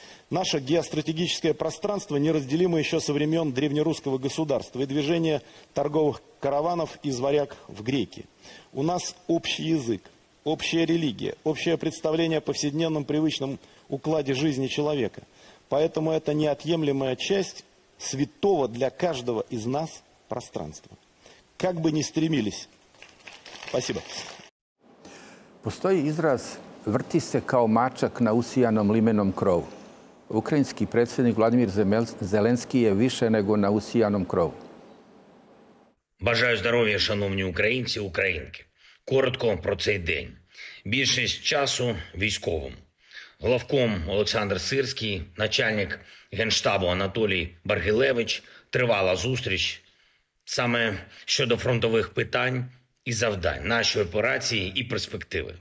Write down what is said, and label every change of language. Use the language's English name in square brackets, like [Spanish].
[Russian] Наше геостратегическое пространство неразделимо еще со времен древнерусского государства и движения торговых караванов из варяг в греки. У нас общий язык, общая религия, общее представление о повседневном привычном укладе жизни человека. Поэтому это неотъемлемая часть святого для каждого из нас пространства. Как бы ни стремились. Спасибо. [Serbian] Постоји израз «врти се као мачак на усијаном лименом крову». Украински председник Владимир Зеленски је више него на усијаном крову. [Ukrainian] Бажаю здоровья, шановні українці, українки. Коротко про цей день. Більшість часу військовим. Главком Олександр Сирський, начальник генштабу Анатолій Баргилевич, тривала зустріч саме щодо фронтових питань і завдань нашої операції і перспективи.